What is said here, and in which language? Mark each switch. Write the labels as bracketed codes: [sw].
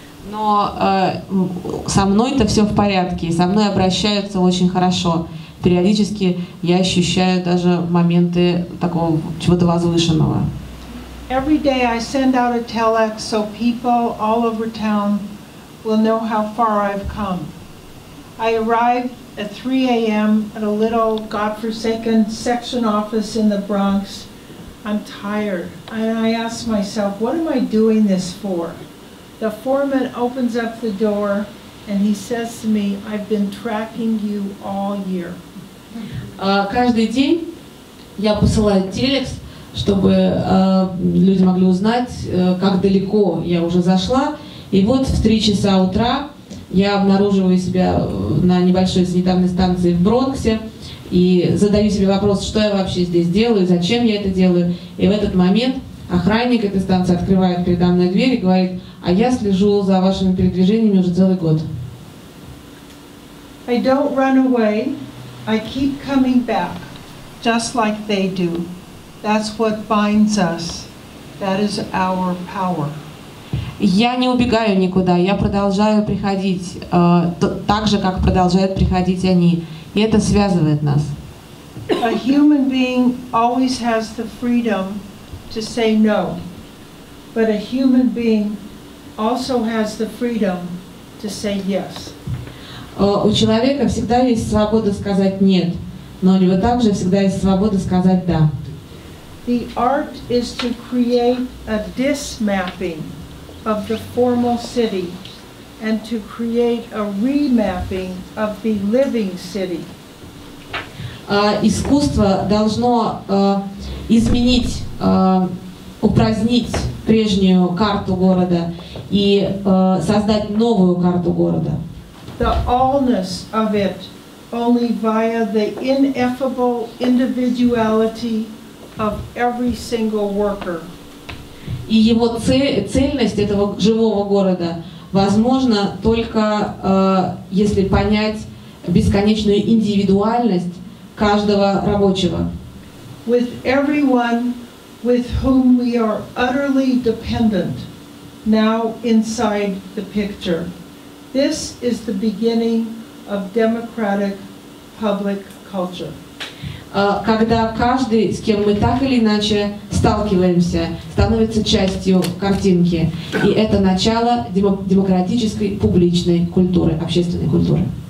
[ru] Но со мной-то все в порядке, со мной обращаются очень хорошо. Периодически я ощущаю даже моменты такого чего-то возвышенного. [en] Every day I send out a telex so people all over town will know how far I've come. I arrive at 3 a.m. at a little godforsaken section office in the Bronx. I'm tired, and I ask myself, what am I doing this for? The foreman opens up the door, and he says to me, I've been tracking you all year. [ru] Каждый день я посылаю телекс, чтобы люди могли узнать, как далеко я уже зашла. И вот в 3 часа утра я обнаруживаю себя на небольшой санитарной станции в Бронксе и задаю себе вопрос, что я вообще здесь делаю, зачем я это делаю. И в этот момент охранник этой станции открывает передо мной дверь и говорит, а я слежу за вашими передвижениями уже целый год. [en] I don't run away, I keep coming back, just like they do. That's what binds us, that is our power. [ru] Я не убегаю никуда, я продолжаю приходить так же, как продолжают приходить они. И это связывает нас. [en] A human being always has the freedom to say no. But a human being also has the freedom to say yes. [ru] У человека всегда есть свобода сказать нет, но у него также всегда есть свобода сказать да. [en] The art is to create a dismapping of the formal city and to create a remapping of the living city. [ru] Искусство должно изменить, упразднить прежнюю карту города и создать новую карту города. [en] The allness of it only via the ineffable individuality of every single worker. [ru] И его цельность этого живого города возможно только если понять бесконечную индивидуальность каждого рабочего. [en] With everyone with whom we are utterly dependent, now inside the picture. This is the beginning of democratic public culture. [ru] Когда каждый, с кем мы так или иначе сталкиваемся, становится частью картинки. И это начало демократической публичной культуры, общественной культуры.